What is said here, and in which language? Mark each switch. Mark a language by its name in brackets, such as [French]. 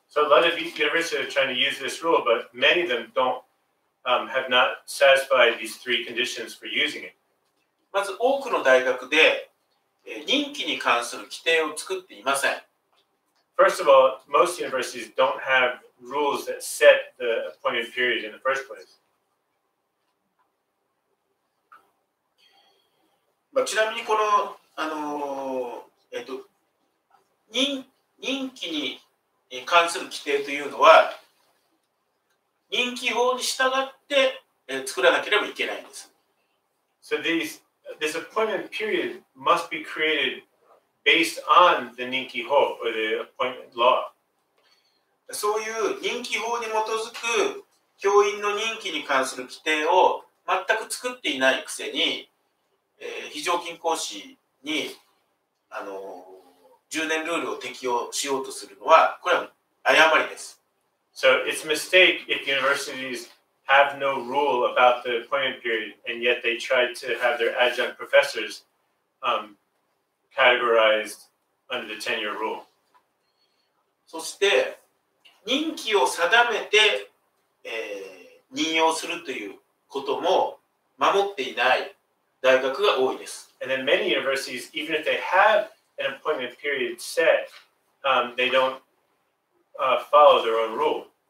[English] So a lot of universities are trying to use this rule, but many of them don't, have not satisfied these three conditions for using it. [Japanese] まず多くの大学で、任期に関する規定を作っていません。 [English] First of all, most universities don't have rules that set the appointed period in the first place. [Japanese] まあ、ちなみにこの、任期に関する規定というのは任期法に従って、作らなければいけないんです。 [English] So this appointment period must be created based on the 任期法 or the appointment law. [Japanese] そういう任期法に基づく教員の任期に関する規定を全く作っていないくせに非常勤講師に10年ルールを適用しようとするのはこれは誤りです。 [English] So it's a mistake if universities have no rule about the appointment period and yet they try to have their adjunct professors categorized under the tenure rule. [Japanese] そして任期を定めて、任用するということも守っていない大学が多いです。 [English] And then many universities, even if they have an appointment period set, they don't follow their own rule.